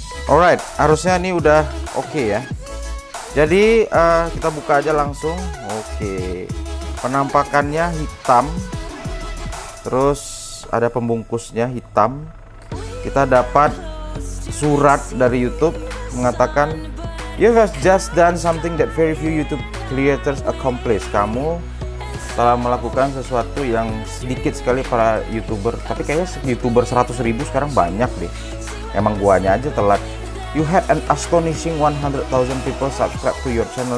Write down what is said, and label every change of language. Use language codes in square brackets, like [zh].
[id] Alright, harusnya ini udah oke ya. Jadi kita buka aja langsung. Oke, penampakannya hitam. Terus ada pembungkusnya hitam. Kita dapat surat dari YouTube mengatakan, [en] "You have just done something that very few YouTube creators accomplish." [id] Kamu telah melakukan sesuatu yang sedikit sekali para YouTuber. Tapi kayaknya YouTuber 100.000 sekarang banyak deh. Emang guanya aja telat. [en] "You had an astonishing 100,000 people subscribe to your channel."